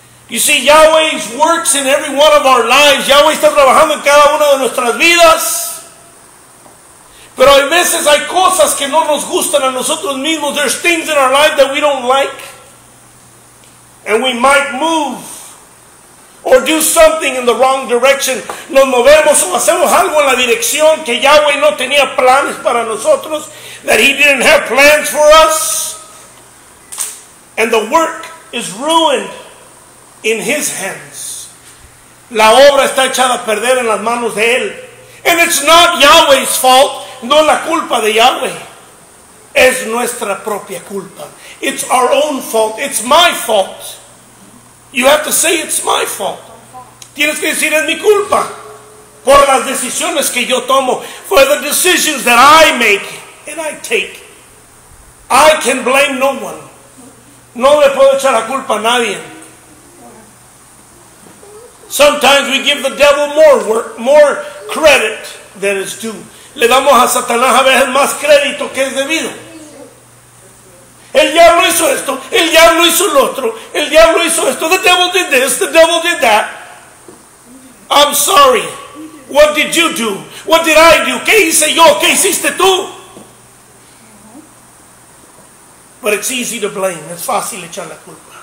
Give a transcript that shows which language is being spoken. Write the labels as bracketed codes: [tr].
[en] You see, Yahweh works in every one of our lives. [es] Yahweh está trabajando en cada una de nuestras vidas. Pero a veces hay cosas que no nos gustan a nosotros mismos. [en] There's things in our life that we don't like. And we might move or do something in the wrong direction. [es] Nos movemos o hacemos algo en la dirección que Yahweh no tenía planes para nosotros. [en] That He didn't have plans for us. And the work is ruined in His hands. [es] La obra está echada a perder en las manos de Él. [en] And it's not Yahweh's fault. [es] No la culpa de Yahweh. Es nuestra propia culpa. [en] It's our own fault. It's my fault. You have to say it's my fault. [es] Tienes que decir es mi culpa. Por las decisiones que yo tomo. [en] For the decisions that I make and I take. I can blame no one. [es] No le puedo echar la culpa a nadie. [en] Sometimes we give the devil more work, more credit than is due. [es] Le damos a Satanás a veces más crédito que es debido. El diablo hizo esto, el diablo hizo lo otro, el diablo hizo esto. [en] The devil did this, the devil did that. I'm sorry. What did you do? What did I do? [es] ¿Qué hice yo? ¿Qué hiciste tú? [en] But it's easy to blame. [es] Es fácil echar la culpa.